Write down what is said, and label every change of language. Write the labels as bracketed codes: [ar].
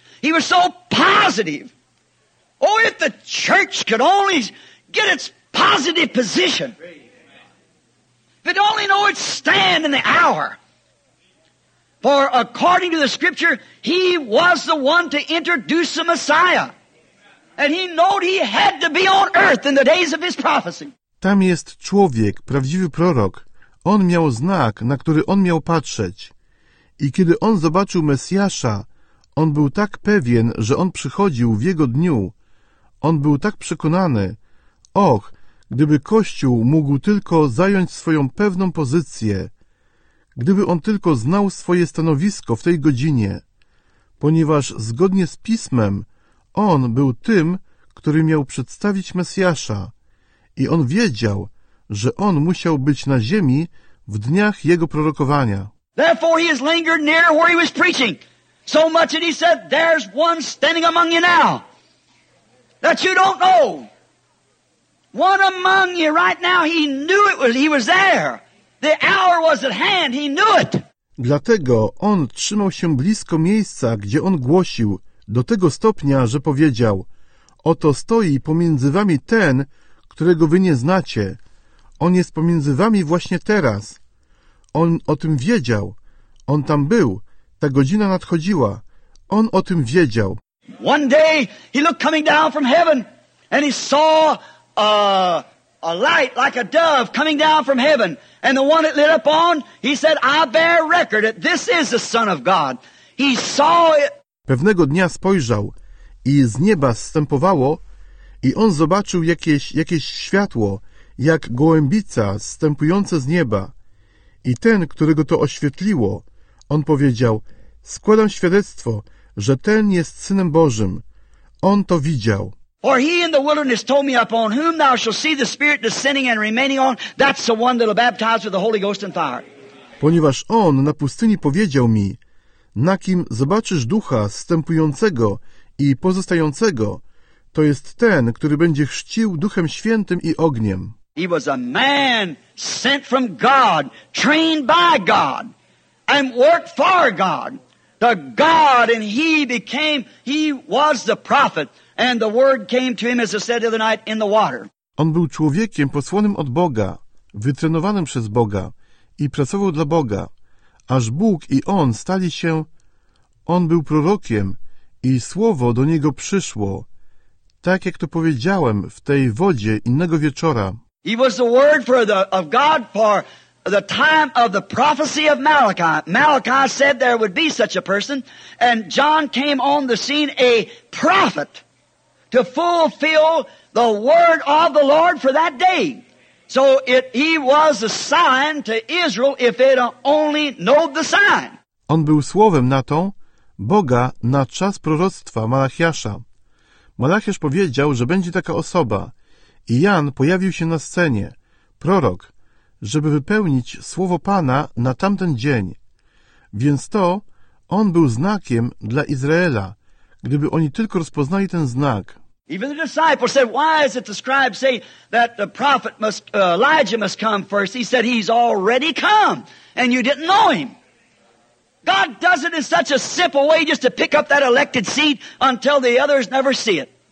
[en] He was so positive. Oh, if the church could only get its positive position. If it only know its stand in the hour. For according to the scripture, he was the one to introduce the Messiah. And he knowed he had to be on earth in the days of his prophecy. [pl] Tam jest człowiek, prawdziwy prorok. On miał znak, na który on miał patrzeć. I kiedy on zobaczył Mesjasza, on był tak pewien, że on przychodził w jego dniu. On był tak przekonany, och, gdyby Kościół mógł tylko zająć swoją pewną pozycję, gdyby on tylko znał swoje stanowisko w tej godzinie, ponieważ zgodnie z Pismem on był tym, który miał przedstawić Mesjasza i on wiedział, że on musiał być na ziemi w dniach jego prorokowania. [en] Therefore he has lingered near where he was preaching, so much that he said, there's one standing among you now. That you don't know. One among you right now, he knew it was, he was there. The hour was at hand, he knew it. [pl] Dlatego on trzymał się blisko miejsca, gdzie on głosił, do tego stopnia, że powiedział, oto stoi pomiędzy wami ten, którego wy nie znacie. On jest pomiędzy wami właśnie teraz. On o tym wiedział. On tam był. Ta godzina nadchodziła. On o tym wiedział. [en] One day he looked coming down from heaven and he saw a light like a dove coming down from heaven. And the one it lit up on, he said, I bear record that this is the Son of God. He saw it. [pl] Pewnego dnia spojrzał i z nieba zstępowało i on zobaczył jakieś światło, jak gołębica zstępująca z nieba. I ten, którego to oświetliło, on powiedział, składam świadectwo, że ten jest Synem Bożym. On to widział. [en] For he in the wilderness told me upon whom thou shalt see the Spirit descending and remaining on, that's the one that'll baptize with the Holy Ghost and fire. [pl] Ponieważ on na pustyni powiedział mi, na kim zobaczysz Ducha zstępującego i pozostającego, to jest ten, który będzie chrzcił Duchem Świętym i ogniem. [en] He was a man sent from God, trained by God, and worked for God. The God, and he was the prophet, and the word came to him, as I said the other night, in the water. [pl] On był człowiekiem posłanym od Boga, wytrenowanym przez Boga i pracował dla Boga, aż Bóg i on stali się, on był prorokiem i słowo do niego przyszło, tak jak to powiedziałem w tej wodzie innego wieczora. [en] He was the word for the of God for the time of the prophecy of Malachi. Malachi said there would be such a person, and John came on the scene a prophet to fulfill the word of the Lord for that day. So he was a sign to Israel if it only know the sign. [pl] On był słowem na to Boga na czas proroctwa Malachiasza. Malachiasz powiedział, że będzie taka osoba, i Jan pojawił się na scenie, prorok, żeby wypełnić słowo Pana na tamten dzień. Więc to on był znakiem dla Izraela, gdyby oni tylko rozpoznali ten znak. [en] Even the disciples said, why is it the scribes say that the prophet must Elijah must come first? He said he's already come and you didn't know him. God does it in such a simple way just to pick up that elected seed until the others never see it.